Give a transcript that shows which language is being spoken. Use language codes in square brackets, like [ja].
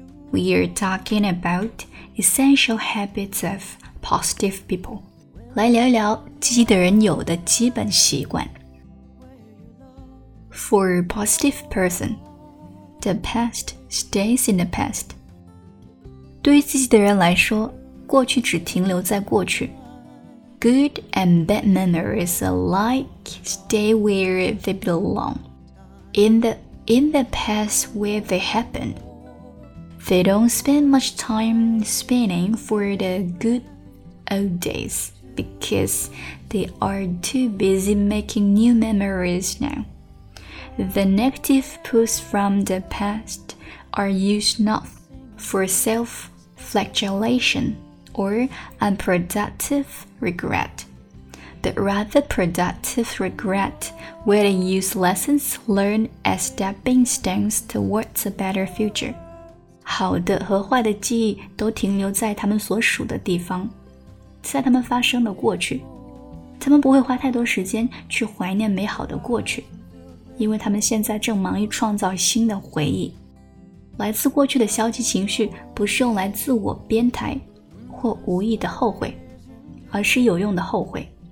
[en] We are talking about essential habits of positive people， [zh] 来聊一聊积极的人有的基本习惯。 [en] For a positive person, the past stays in the past。 [zh] 对于积极的人来说，过去只停留在过去。 [en] Good and bad memories alike stay where they belong. In the past where they happen. They don't spend much time spinning for the good old days because they are too busy making new memories now. The negative pulls from the past are used not for self-flagellation. Or unproductive regret, but rather productive regret where they use lessons learned as stepping stones towards a better future. [zh] 好的和坏的记忆都停留在他们所属的地方，在他们发生的过去。他们不会花太多时间去怀念美好的过去，因为他们现在正忙于创造新的回忆。来自过去的消极情绪不是用来自我鞭挞或无意的后悔，而是有用的后悔。